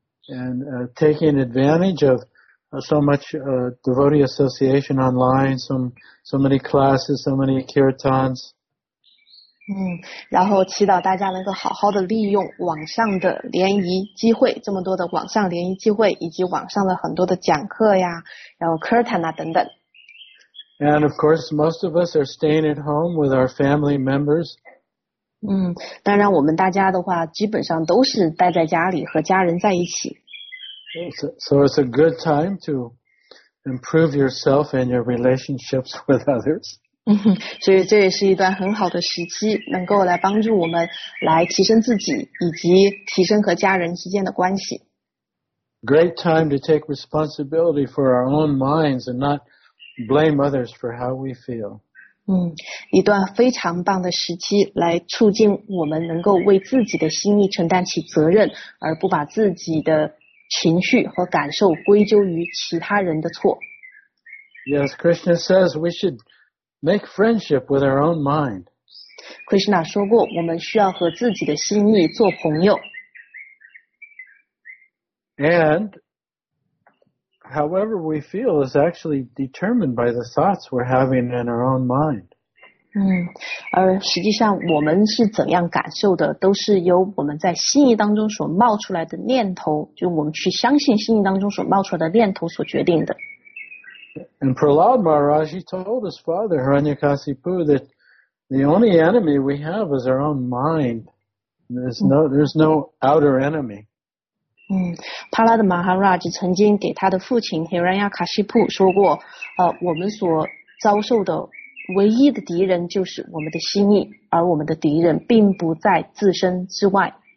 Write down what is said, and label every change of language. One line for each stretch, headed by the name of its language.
English: And taking advantage of so much devotee association online, so many classes, so many kirtans.
Chinese: 然后祈祷大家能够好好的利用网上的联谊机会，这么多的网上联谊机会，以及网上的很多的讲课呀，然后 curtain 啊等等。
English: And of course, most of us are staying at home with our family members.
Chinese: 当然我们大家的话，基本上都是待在家里和家人在一起。
English: So it's a good time to improve yourself and your relationships with others.
Chinese: 所以这也是一段很好的时期，能够来帮助我们来提升自己以及提升和家人之间的关系。
English: Great time to take responsibility for our own minds and not blame others for how we feel.
Chinese: 一段非常棒的时期来促进我们能够为自己的心意承担起责任，而不把自己的情绪和感受归咎于其他人的错。
English: Yes, Krishna says we shouldMake friendship with our own mind.
Chinese: Krishna 说过，我们需要和自己的心意做朋友。
English: And however we feel is actually determined by the thoughts we're having in our own mind.
Chinese: 而实际上我们是怎样感受的，都是由我们在心意当中所冒出来的念头，就我们去相信心意当中所冒出来的念头所决定的。
English: And Prahlad Maharaj, he told his father, Hiranyakasipu, that the only enemy we have is our own mind. There's no outer enemy.
Chinese: Prahlad Maharaj 曾经给他的父亲 Hiranyakasipu 说过，我们所遭受的唯一的敌人就是我们的心意，而我们的敌人并不在自身之外。